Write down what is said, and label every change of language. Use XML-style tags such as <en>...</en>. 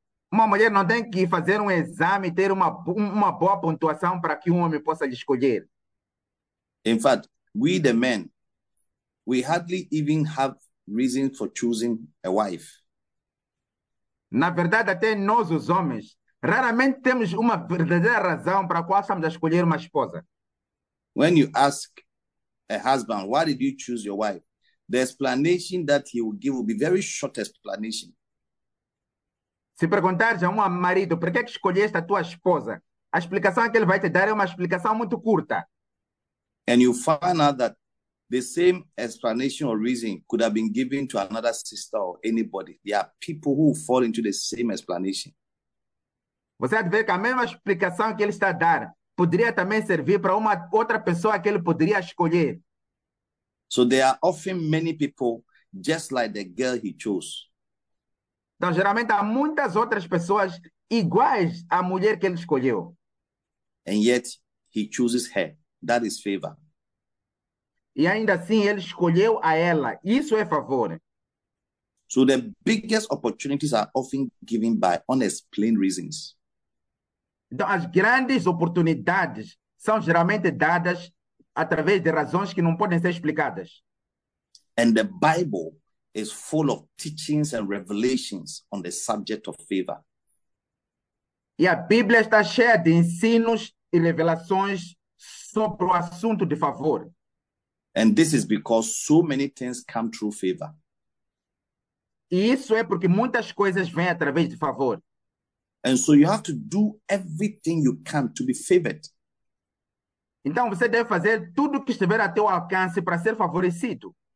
<pt>Uma mulher não tem que fazer exame e ter uma boa pontuação para que homem possa lhe escolher.</pt> <en>In fact, we the men, we hardly even have reason for choosing a wife.</en> <pt>Na verdade, até nós, os homens, raramente temos uma verdadeira razão para a qual estamos a escolher uma esposa.</pt> <en>When you ask a husband, why did you choose your wife? The explanation that he will give will be very short explanation.</en> <pt>Se perguntares a marido, por que escolheste a tua esposa? A explicação que ele vai te dar é uma explicação muito curta.</pt> <en>And you find out that the same explanation or reason could have been given to another sister or anybody. There are people who fall into the same explanation.</en> <pt>Você vai ver que a mesma explicação que ele está a dar poderia também servir para uma outra pessoa que ele poderia escolher.</pt> <en>So there are often many people just like the girl he chose.</en> <pt>Então, geralmente há muitas outras pessoas iguais à mulher que ele escolheu.</pt> <en>And yet he chooses her. That is favor.</en> <pt>E ainda assim ele escolheu a ela. Isso é favor.</pt> <en>So the biggest opportunities are often given by unexplained reasons.</en> <pt>Então, as grandes oportunidades são geralmente dadas através de razões que não podem ser explicadas.</pt> <en>And the Bible is full of teachings and revelations on the subject of favor.</en> <pt>E a Bíblia está cheia de ensinos e revelações sobre o assunto de favor.</pt> <en>And this is because so many things come through favor.</en> <pt>E isso é porque muitas coisas vêm através de favor.</pt> <en>And so you have to do everything you can to be favored.</en> <pt>Então você deve fazer tudo o que estiver a teu alcance para ser favorecido.</pt>